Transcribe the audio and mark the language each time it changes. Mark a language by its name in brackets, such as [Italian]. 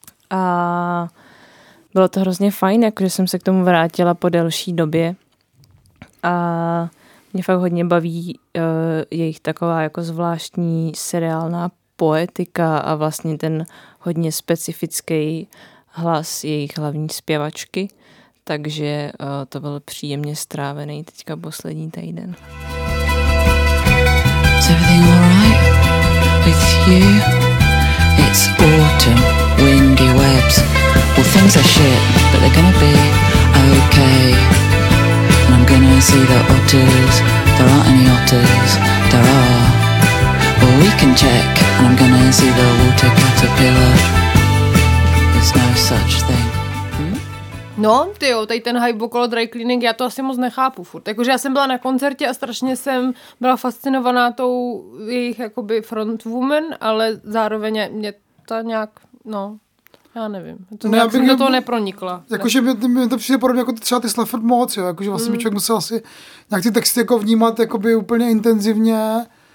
[Czech] A bylo to hrozně fajn, jakože jsem se k tomu vrátila po delší době a mě fakt hodně baví jejich taková jako zvláštní seriálná poetika a vlastně ten hodně specifický hlas jejich hlavní zpěvačky, takže to byl příjemně strávený teďka poslední týden. [English] Is everything all right with you? It's autumn. Windy webs. Well, things are shit, but they're gonna be okay. And I'm gonna see the otters. There aren't any otters. There are. Well, we can check. And I'm gonna see the water caterpillar. There's no such thing. [Czech] No, ty jo, tady ten hype okolo dry cleaning, já to asi moc nechápu furt. Jakože já jsem byla na koncertě a strašně jsem byla fascinovaná tou jejich jakoby frontwoman, ale zároveň mě to nějak, no, já nevím. To ne, jak jsem do toho nepronikla. Jakože mi to přijde podobně jako třeba ty Slefford moc, jo. Jakože vlastně by člověk musel asi nějak ty texty jako vnímat jakoby úplně intenzivně.